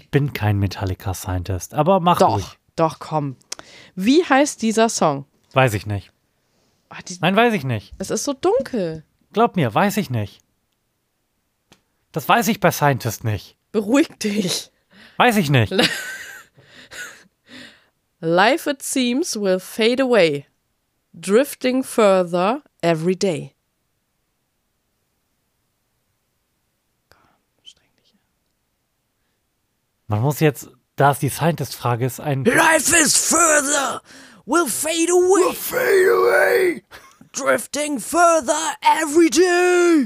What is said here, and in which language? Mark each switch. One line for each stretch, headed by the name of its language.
German: Ich bin kein Metallica-Scientist, aber mach ruhig. Doch, komm. Wie heißt dieser Song? Weiß ich nicht. Nein, weiß ich nicht. Es ist so dunkel. Glaub mir, weiß ich nicht. Das weiß ich bei Scientist nicht. Beruhig dich. Weiß ich nicht.
English: Life, it seems, will fade away, drifting further every day.
German: Man muss jetzt, da es die Scientist-Frage ist, ein
English: Life is further, will fade away, will fade away, drifting further every day.